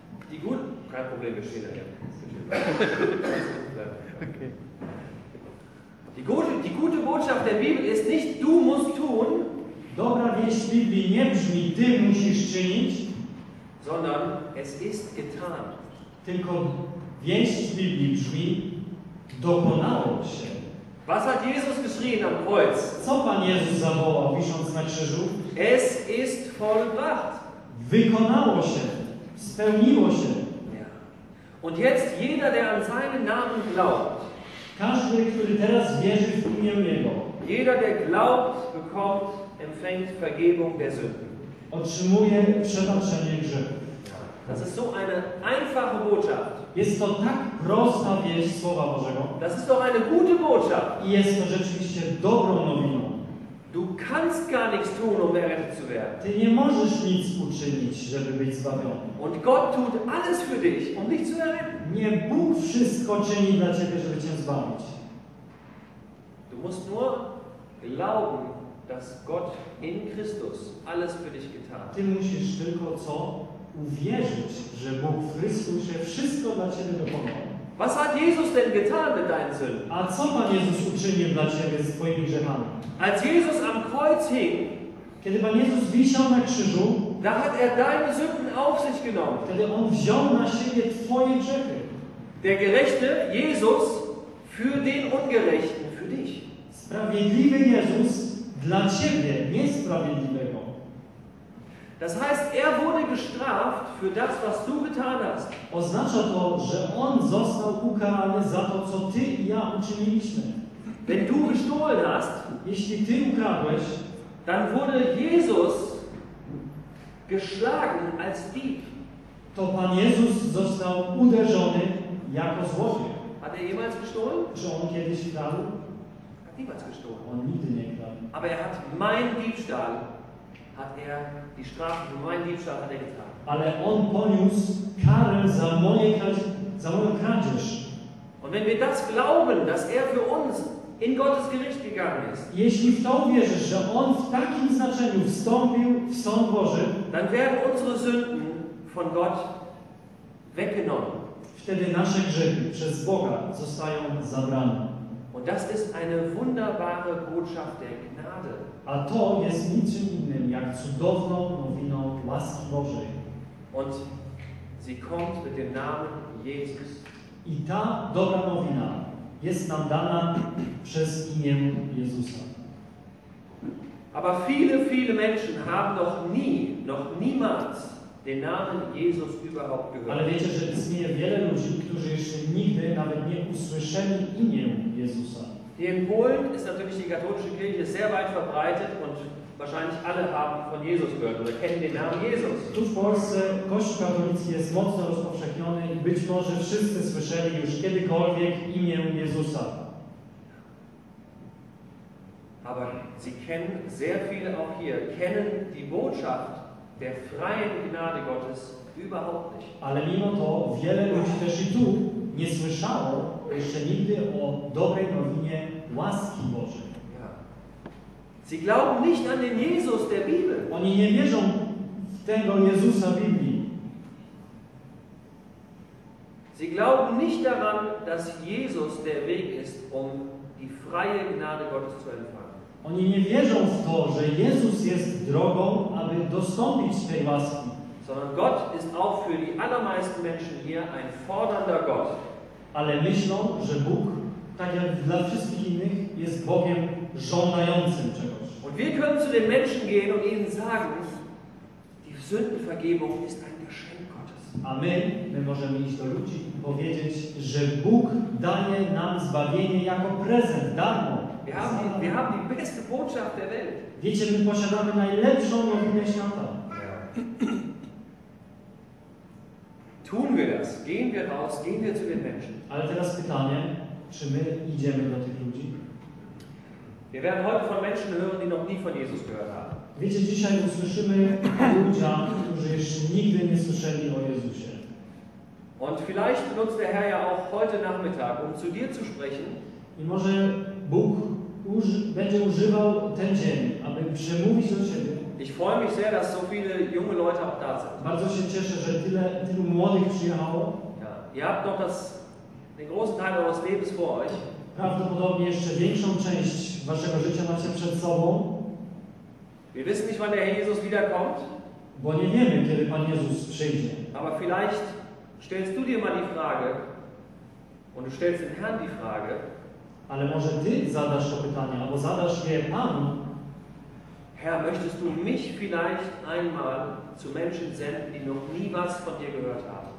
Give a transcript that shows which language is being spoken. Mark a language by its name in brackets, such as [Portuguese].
[German] Die gut, kein Problem, wir stehen da ja. Die gute Botschaft der Bibel ist nicht du musst tun, [Polish] dobra wieść Biblii nie brzmi ty musisz czynić, [German] sondern es ist getan. [Polish] Tylko wieść Biblii brzmi dokonało się. [German] Was hat Jesus geschrien am Kreuz? [Polish] Co Pan Jezus zawołał wisząc na krzyżu? [German] Es ist vollbracht. [Polish] Wykonało się. Spełniło się. [German] Und jetzt jeder, der an seinen Namen glaubt. [Polish] Każdy, który teraz wierzy w imię Jego. [German] Jeder, der glaubt, bekommt, empfängt Vergebung der Sünden. [Polish] Otrzymuje przebaczenie grzechów. [German] Das ist so eine einfache Botschaft. [Polish] Jest to tak prosta wieść Słowa Bożego. [German] Das ist doch eine gute Botschaft. [Polish] I jest to rzeczywiście dobrą nowiną. [German] Du kannst gar nichts tun, um errettet zu werden. [Polish] Ty nie możesz nic uczynić, żeby być zbawiony. [German] Und Gott tut alles für dich, um dich zu erretten. [Polish] Nie Bóg wszystko czyni dla ciebie, żeby cię zbawić. [German] Du musst nur glauben, dass Gott in Christus alles für dich getan hat. [Polish] Ty musisz tylko co? Uwierzyć, że Bóg w Chrystusie wszystko dla ciebie dokonał. [German] Was hat Jesus denn getan mit deinen Sünden? [Polish] A co Pan Jezus uczynił dla ciebie z twoimi grzechami? [German] Als Jesus am Kreuz hing, [Polish] Kiedy Pan Jezus wisiał na krzyżu, [German] da hat deine Sünden auf sich genommen. [Polish] Wtedy On wziął na siebie Twoje grzechy. [German] Der Gerechte, Jesus, für den Ungerechten, für dich. [Polish] Sprawiedliwy Jezus dla Ciebie, niesprawiedliwego. [German] Das heißt, wurde gestraft für das, was du getan hast. [Polish] Oznacza to, że On został ukarany za to, co Ty i ja uczyniliśmy. [German] Wenn du gestohlen hast, [Polish] jeśli Ty ukradłeś, [German] dann wurde Jesus geschlagen als Dieb. [Polish] To Pan Jezus został uderzony jako złodziej. [German] Hat jemals gestohlen? [Polish] Czy On kiedyś kradł? [German] Hat niemals gestohlen. [Polish] On nigdy nie kradł. [German] Aber hat mein Diebstahl, hat die Strafe für meinen Diebstahl hat getan. [Polish] Ale On poniósł karę za moją kradzież. [German] Und wenn wir das glauben, dass für uns in Gottes Gericht gegangen ist. [Polish] Jeśli w to wierzysz, że On w takim znaczeniu wstąpił w Sąd Boży, [German] dann werden unsere Sünden von Gott weggenommen. [Polish] Wtedy nasze grzechy przez Boga zostają zabrane. [German] Und das ist eine wunderbare Botschaft der Gnade. [Polish] A to jest niczym innym jak cudowną nowiną łaski Bożej. [German] Und sie kommt mit dem Namen Jesus. [Polish] I ta dobra nowina jest nam dana przez imię Jezusa. [German] Aber viele Menschen haben noch niemals den Namen Jesus überhaupt gehört. [Polish] Ale wiecie, że istnieje wiele ludzi, którzy jeszcze nigdy nawet nie usłyszeli imię Jezusa. [German] Hier in Polen ist natürlich die katholische Kirche sehr weit verbreitet und wahrscheinlich alle haben von Jesus gehört oder kennen den Namen Jesus. [Polish] Tu w Polsce Kościół katolicki jest mocno rozpowszechniony i być może wszyscy słyszeli już kiedykolwiek imię Jezusa. [German] Aber sie kennen, sehr viele auch hier, kennen die Botschaft der freien Gnade Gottes überhaupt nicht. [Polish] Ale mimo to wiele ludzi też i tu nie słyszało jeszcze nigdy o dobrej nowinie łaski Bożej. [German] Sie glauben nicht an den Jesus der Bibel. [Polish] Oni nie wierzą w tego Jezusa Biblii. [German] Sie glauben nicht daran, dass Jesus der Weg ist, um die freie Gnade Gottes zu empfangen. [Polish] Oni nie wierzą w to, że Jezus jest drogą, aby dostąpić tej łaski. [German] Sondern Gott ist auch für die allermeisten Menschen hier ein fordernder Gott. [Polish] Ale myślą, że Bóg, tak jak dla wszystkich innych, jest Bogiem żądającym czegoś. [German] Und wir können zu den Menschen gehen und ihnen sagen, die Sündenvergebung ist ein Geschenk Gottes. [Polish] A my możemy iść do ludzi i powiedzieć, że Bóg daje nam zbawienie jako prezent, darmo. [German] Wir haben die beste Botschaft der Welt. [Polish] Wiecie, my posiadamy najlepszą nowinę świata. [German] Tun wir das, gehen wir raus, gehen wir zu den Menschen. [Polish] Ale teraz pytanie, czy my idziemy do tych ludzi? [German] Wir werden heute von Menschen hören, die noch nie von Jesus gehört haben. [Polish] Wiecie, dzisiaj usłyszymy ludzi, którzy jeszcze nigdy nie słyszeli o Jezusie. [German] Und vielleicht nutzt der Herr ja auch heute Nachmittag, um zu dir zu sprechen. [Polish] I może Bóg będzie używał ten dzień, aby przemówić do ciebie. [German] Ich freue mich sehr, dass so viele junge Leute auch da sind. [Polish] Bardzo się cieszę, że tylu młodych przyjechało. [German] Ja, ihr habt noch den großen Teil eures Lebens vor euch. [Polish] Prawdopodobnie jeszcze większą część waszego życia macie przed sobą. [German] Wir wissen nicht, wann der Herr Jesus wiederkommt. [Polish] Bo nie wiemy, kiedy Pan Jezus przyjdzie. [German] Aber vielleicht stellst du dir mal die Frage und du stellst den Herrn die Frage. [Polish] Ale może ty zadasz to pytanie, albo zadasz je Panu. [German] Herr, möchtest du mich vielleicht einmal zu Menschen senden, die noch nie was von dir gehört haben?